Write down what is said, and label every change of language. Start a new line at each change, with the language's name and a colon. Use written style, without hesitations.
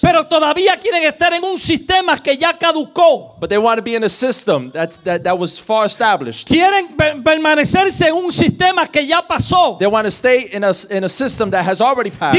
Spanish: pero todavía quieren estar en un sistema que ya caducó,
English: but they want to be in a system that was far established,
Spanish: quieren permanecerse en un sistema que ya pasó,
English: they want to stay in a system that has already passed.